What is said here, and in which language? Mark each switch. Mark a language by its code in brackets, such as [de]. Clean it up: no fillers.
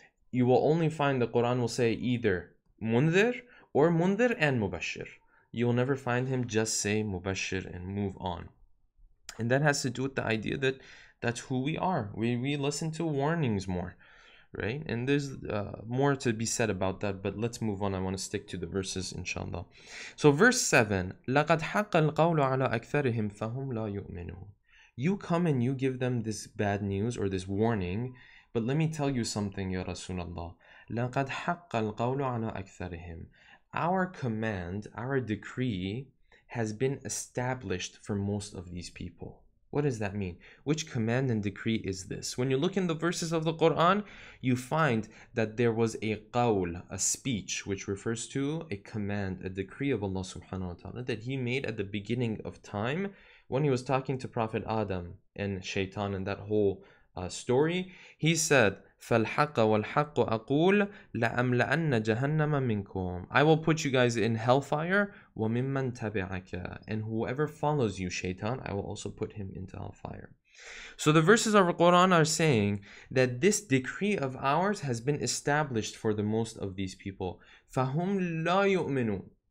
[en] You will only find the Quran will say either Munzir or Munzir and Mubashir. You will never find him just say Mubashir and move on. And that has to do with the idea that that's who we are. We listen to warnings more, right? And there's more to be said about that, but let's move on. I want to stick to the verses, inshallah. So verse 7, [ar] لَقَدْ حَقَّ الْقَوْلُ عَلَىٰ أَكْثَرِهِمْ فَهُمْ لَا يُؤْمِنُونَ. [en] You come and you give them this bad news or this warning, but let me tell you something, Ya Rasulullah. [ar] لَقَدْ حَقَّ الْقَوْلُ عَلَىٰ أَكْثَرِهِمْ. [en] Our command, our decree has been established for most of these people. What does that mean? Which command and decree is this? When you look in the verses of the Quran, you find that there was a qawl, a speech, which refers to a command, a decree of Allah subhanahu wa ta'ala that he made at the beginning of time when he was talking to Prophet Adam and Shaitan and that whole story. He said, [ar] فَالْحَقَّ وَالْحَقُّ أَقُولُ لَأَمْلَأَنَّ جَهَنَّمَ مِنْكُمْ. [en] I will put you guys in hellfire, [ar] وَمِمَّنْ تَبِعَكَ. [en] And whoever follows you, Shaitan, I will also put him into hellfire. So the verses of the Quran are saying that this decree of ours has been established for the most of these people. [ar] فَهُمْ لَا يُؤْمِنُونَ.